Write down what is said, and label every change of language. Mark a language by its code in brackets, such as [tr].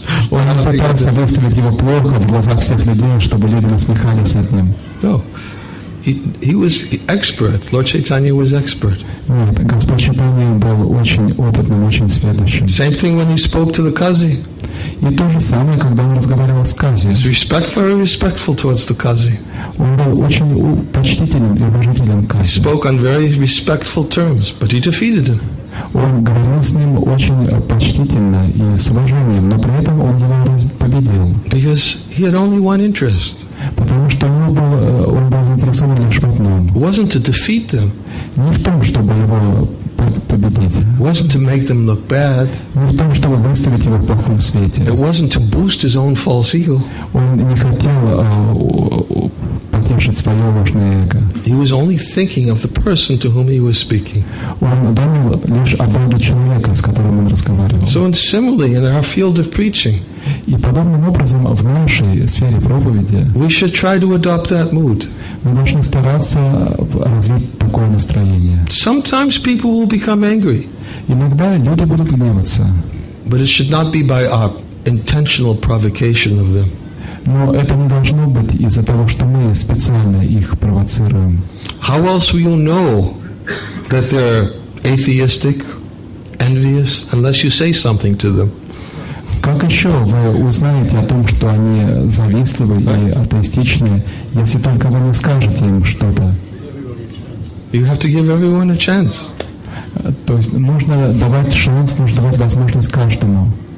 [ru] Он не пытался выставить его плохо в глазах всех людей, чтобы люди насмехались над ним. [en] No. He was expert. Lord Chaitanya was expert. [ru] Нет, Господь Чайтанья был очень опытным, очень сведущим. [en] Same thing when he spoke to the Qazi. [ru] И то же самое, когда он разговаривал с Кази. [en] He's respectful, respectful towards the Qazi. [ru] Он был очень почтительным и уважительным к Кази. [en] He spoke on very respectful terms, but he defeated him. [ru] Он говорил с ним очень почтительно и с уважением, но при этом он его победил. [en] Because he had only one interest. [ru] Потому что он был заинтересован лишь в одном. [en] Wasn't to defeat them. [ru] Не в том, чтобы его победить. [en] Wasn't to make them look bad. [ru] Не в том, чтобы выставить его в плохом свете. [en] It wasn't to boost his own false ego. [ru] Он не хотел потешить свое ложное эго. [en] He was only thinking of the person to whom he was speaking. [ru] Он думал лишь об этом человеке, с которым он разговаривал. [en] So in similarly, in our field of preaching. [ru] И подобным образом в нашей сфере проповеди. [en] We should try to adopt that mood. [ru] Мы должны стараться развить такое настроение. [en] Sometimes people will become angry. [ru] Иногда люди будут гневаться. [en] But it should not be by our intentional provocation of them. [ru] Но это не должно быть из-за того, что мы специально их провоцируем. [en] How else will you know that they're atheistic, envious, unless you say something to them? [ru] Как еще вы узнаете о том, что они завистливы и атеистичны, если только вы не скажете им что-то? [en] You have to give everyone a chance. [ru] То есть нужно давать шанс, нужно давать возможность каждому.